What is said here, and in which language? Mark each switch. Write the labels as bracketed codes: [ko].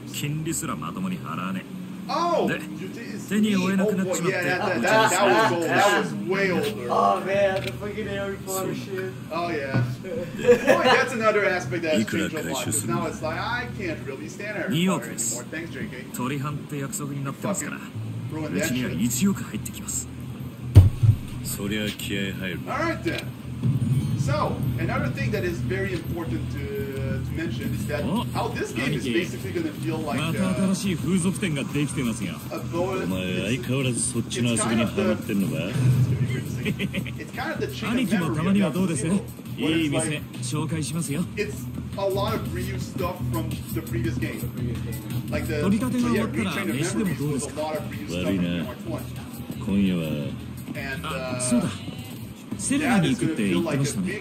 [ja] 金利すらまともに払わねえ。Oh, で、手に負えなくなっちまって、 [en] oh, yeah, that, that, that, that was old. That was way older. Oh man, the fucking Harry Potter shit. Oh yeah. Boy, that's another aspect that's changed a lot. Because now it's like I can't really stand Harry Potter anymore. Thanks, JK. [ja] 取り半って約束になってますから。うちには 1 億入ってきます。そりゃ気合入る。 [en] All right then. So another thing that is very important to mention is that how this game is basically going to feel like [ja] また新しい風俗店ができてますよ。お前相変わらずそっちの遊びにハマってんのか。兄貴もたまにはどうです？いい店紹介しますよ。 [en] It's a lot of reused stuff from the previous game. Like the [ja] 取り立てが終わったら飯でもどうですか？悪いな。今夜はそうだ。セレナに行くって言ってましたね。